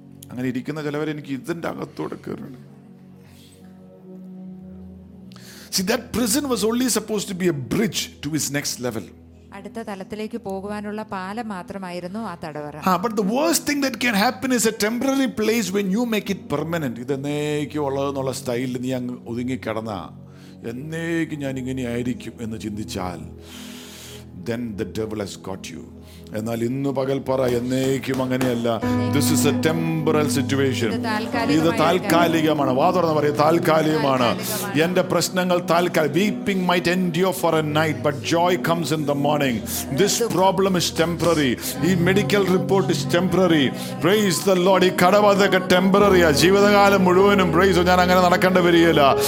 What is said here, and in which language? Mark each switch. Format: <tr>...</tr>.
<ml>അങ്ങനെ ഇരിക്കുന്ന ചിലവരെനിക്ക് ഇതിൻ്റെ അകത്തോടെ കയറുന്നു.</ml> <en>See, that prison was only supposed to be a bridge to his next level.</en> <ml>അടുത്ത തലത്തിലേക്ക് പോകുവാനുള്ള പാലം മാത്രമായിരുന്നു ആ തടവറ.</ml> <en>Ah, but the worst thing that can happen is a temporary place when you make it permanent.</en> <ml>ഇതെന്നേക്ക് ഉള്ളതെന്നുള്ള സ്റ്റൈലിൽ നീ അങ്ങ് ഒതുങ്ങി കിടന്ന, എന്നേക്ക് ഞാൻ ഇങ്ങനെ ആയിരിക്കും എന്ന് ചിന്തിച്ചാൽ,</ml> <en>then the devil has got you.</en> <ml>എന്നാൽ ഇന്ന് പകൽ പറ, എന്നേക്കും അങ്ങനെയല്ല.</ml> <en>This is a temporal situation.</en> <ml>ഇത് താൽക്കാലികമാണ്. വാ തുറന്ന് പറയാം, താൽക്കാലികമാണ്. എന്റെ പ്രശ്നങ്ങൾ താൽക്കാലിക.</ml> <en>Weeping might endure for a night, but joy comes in the morning. This problem is temporary.</en> <ml>ഈ medical report</ml> <en>is temporary. Praise the Lord.</en> <ml>ഈ കടബാധയൊക്കെ</ml> <en>temporary ആ.</en> <ml>ജീവിതകാലം മുഴുവനും പ്രൈസ്, ഞാൻ അങ്ങനെ നടക്കേണ്ടി വരികയില്ല.</ml>